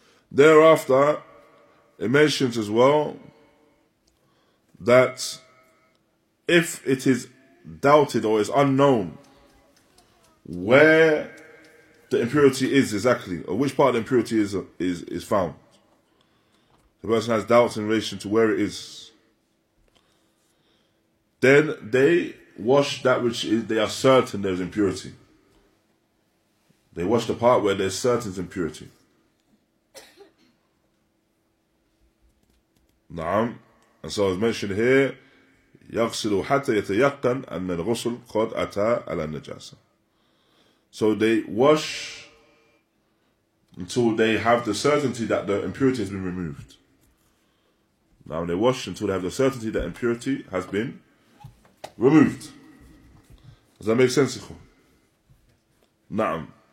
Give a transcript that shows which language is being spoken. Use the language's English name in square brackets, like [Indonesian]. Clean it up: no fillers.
[English] Thereafter, it mentions as well that if it is doubted or is unknown where the impurity is exactly, or which part of the impurity is found, the person has doubts in relation to where it is, then they wash that which is, they are certain there is impurity. They wash the part where there is certain impurity. [Arabic] Naam, [English] and so as mentioned here, [Arabic] يغسلوا حتى يتيقن أن الغسل قد أتى على النجاسة. [English] So they wash until they have the certainty that the impurity has been removed. Naam, they wash until they have the certainty that impurity has been removed. Does that make sense, ikhwan? Naam.